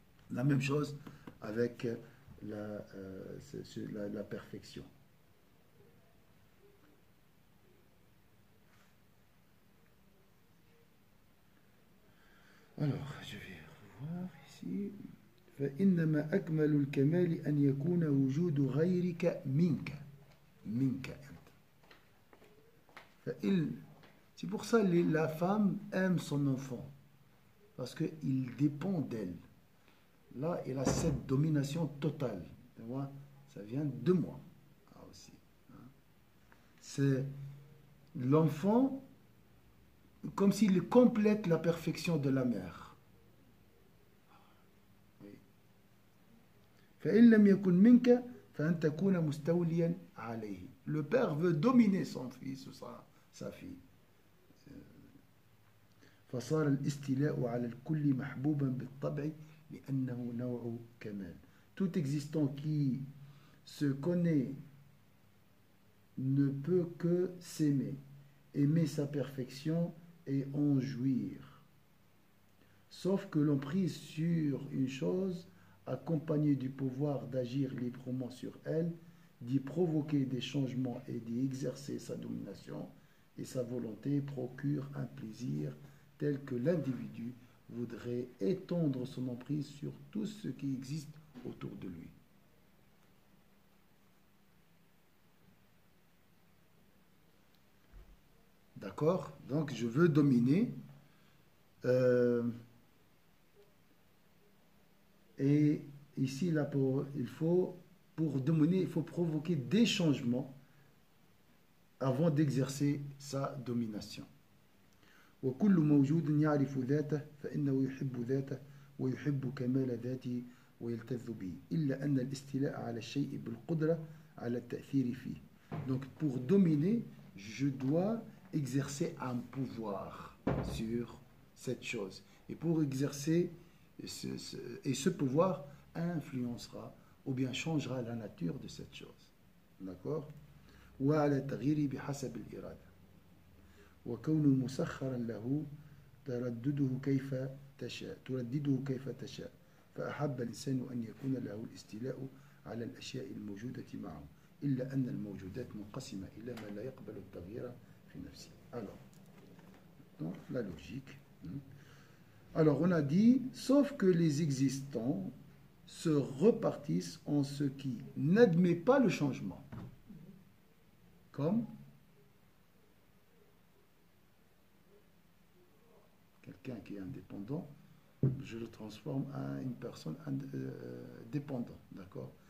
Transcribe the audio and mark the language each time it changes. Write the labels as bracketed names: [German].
[French] La même chose avec la perfection. Alors, je vais revoir ici. [Arabic] فإنما أكمل الكمال أن يكون وجود غيرك منك. منك أنت. [French] C'est pour ça que la femme aime son enfant. Parce qu'il dépend d'elle. Là, il a cette domination totale. Tu vois, ça vient de moi. Ah, aussi. C'est l'enfant comme s'il complète la perfection de la mère. [Arabic] فإن لم يكن منك فأن تكون مستوليا عليه. [French] Le père veut dominer son fils ou sa fille. [Arabic] فصار الاستيلاء على الكل محبوبا بالطبع لأنه نوع كمال. [French] Tout existant qui se connaît ne peut que s'aimer, aimer sa perfection et en jouir. Sauf que l'on prise sur une chose accompagné du pouvoir d'agir librement sur elle, d'y provoquer des changements et d'y exercer sa domination et sa volonté procure un plaisir tel que l'individu voudrait étendre son emprise sur tout ce qui existe autour de lui. D'accord ? Donc je veux dominer. Et ici, là, pour dominer, il faut provoquer des changements avant d'exercer sa domination. [Arabic] وكل موجود يعرف ذاته فإنه يحب ذاته ويحب كمال ذاته ويلتذ به إلا أن الاستيلاء على الشيء بالقدرة على التأثير فيه. [French] Donc pour dominer, je dois exercer un pouvoir sur cette chose. Et pour exercer ce pouvoir influencera ou bien changera la nature de cette chose. D'accord? [Arabic] وعلى تغيير بحسب الإرادة. وكون مسخرا له تردده كيف تشاء تردده كيف تشاء فأحب الإنسان أن يكون له الاستيلاء على الأشياء الموجودة معه إلا أن الموجودات منقسمة إلى ما لا يقبل التغيير في نفسه. [French] Alors, donc, la logique. Alors, on a dit, sauf que les existants se repartissent en ce qui n'admet pas le changement. Comme quelqu'un qui est indépendant, je le transforme en une personne dépendante, d'accord?